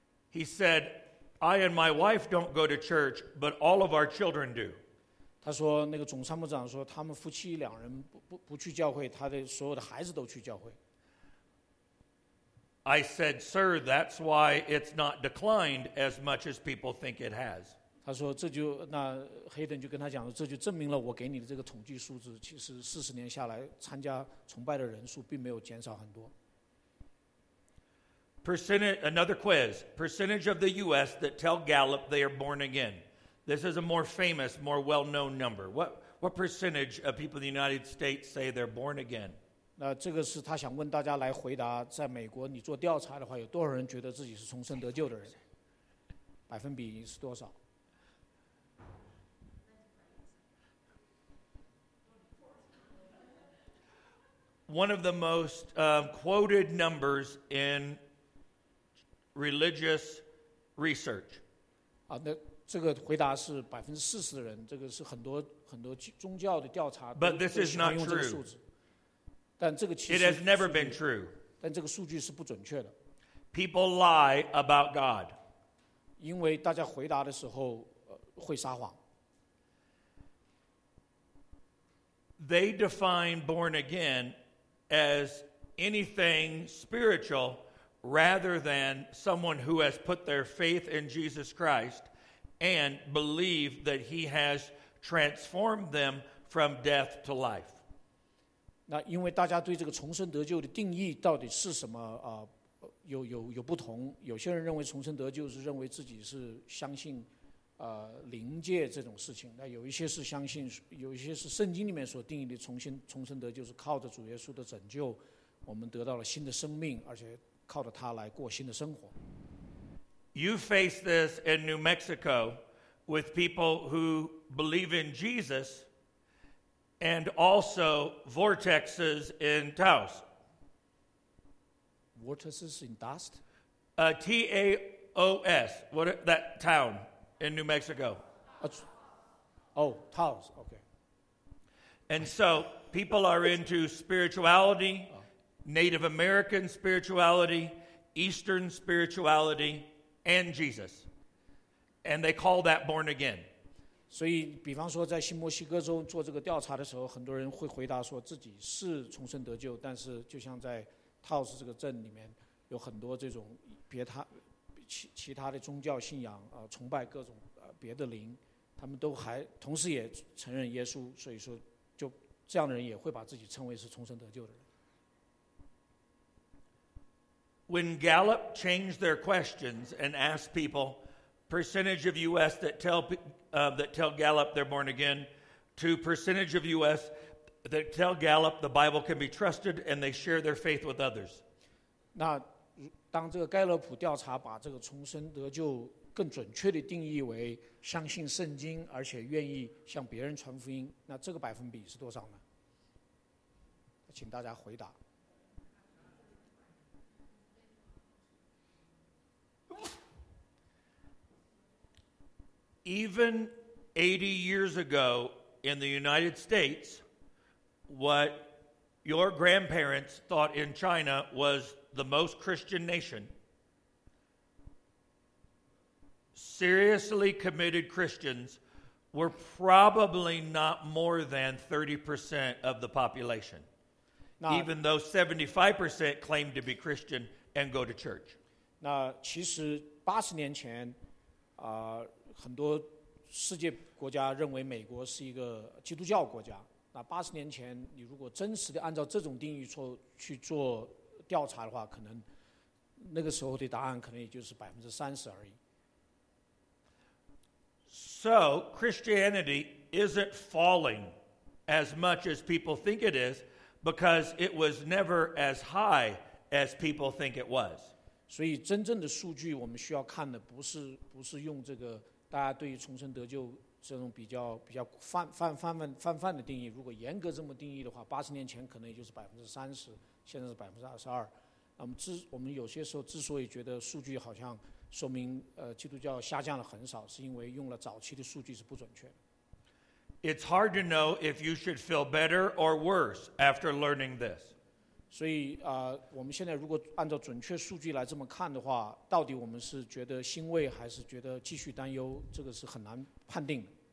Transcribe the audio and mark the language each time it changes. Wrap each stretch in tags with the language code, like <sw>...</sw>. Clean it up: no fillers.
<en>He said, "I and my wife don't go to church, but all of our children do."</en> <zh>他说那个总参谋长说他们夫妻两人不去教会，他的所有的孩子都去教会。</zh> <en>I said, "Sir, that's why it's not declined as much as people think it has."</en> <zh>他说这就那黑顿就跟他讲了，这就证明了我给你的这个统计数字，其实四十年下来参加崇拜的人数并没有减少很多。</zh> <en>Percentage, another quiz. Percentage of the U.S. that tell Gallup they are born again. This is a more famous, more well-known number. What percentage of people in the United States say they're born again?</en> <zh>那这个是他想问大家来回答，在美国你做调查的话，有多少人觉得自己是重生得救的人？百分比是多少？</zh> <en>One of the most quoted numbers in religious research.</en> <zh>那这个回答是40%的人，这个是很多宗教的调查</zh> <en>，But this is not true.</en> <zh>但这个其实</zh> <en>It has never been true.</en> <zh>但这个数据是不准确的。</zh> <en>People lie about God.</en> <zh>因为大家回答的时候会撒谎。</zh> <en>They define born again as anything spiritual rather than someone who has put their faith in Jesus Christ and believe that he has transformed them from death to life.</en> <zh>那因为大家对这个重生得救的定义到底是什么有不同，有些人认为重生得救是认为自己是相信灵界这种事情，那有一些是相信，有一些是圣经里面所定义的重生得救是靠着主耶稣的拯救我们得到了新的生命，而且靠着他来过新的生活。</zh> <en>You face this in New Mexico with people who believe in Jesus and also vortexes in Taos. Vortexes in dust? T-A-O-S, what is that town in New Mexico? Taos, okay. And so people are into spirituality, Native American spirituality, Eastern spirituality, and Jesus. And they call that born again.</en> <zh>所以比方说在新墨西哥州做这个调查的时候，很多人会回答说自己是重生得救，但是就像在 Taos 这个镇里面有很多这种其他的宗教信仰崇拜各种别的灵，他们都还同时也承认耶稣，所以说就这样的人也会把自己称为是重生得救的人。</zh> <en>When Gallup changed their questions and asked people percentage of U.S. that tell Gallup they're born again to percentage of U.S. that tell Gallup the Bible can be trusted and they share their faith with others.</en> <zh>那当这个盖勒普调查把这个重生得救更准确的定义为相信圣经而且愿意向别人传福音，那这个百分比是多少呢？请大家回答。</zh> <en>Even 80 years ago in the United States, what your grandparents thought in China was the most Christian nation, seriously committed Christians were probably not more than 30% of the population, even though 75% claimed to be Christian and go to church.</en> <zh>那其实八十年前，很多世界国家认为美国是一个基督教国家。那八十年前，你如果真实的按照这种定义说去做调查的话，可能那个时候的答案可能也就是30%而已。</zh> <en>So Christianity isn't falling as much as people think it is, because it was never as high as people think it was.</en> <zh>所以真正的数据我们需要看的不是用这个。大家对于重生得救这种比较泛的定义，如果严格这么定义的话，八十年前可能也就是30%，现在是22%。那么我们有些时候之所以觉得数据好像说明基督教下降了很少，是因为用了早期的数据是不准确的。</zh> <en>It's hard to know if you should feel better or worse after learning this.</en> <zh>所以我们现在如果按照准确数据来这么看的话，到底我们是觉得欣慰还是觉得继续担忧，这个是很难判定的。</zh>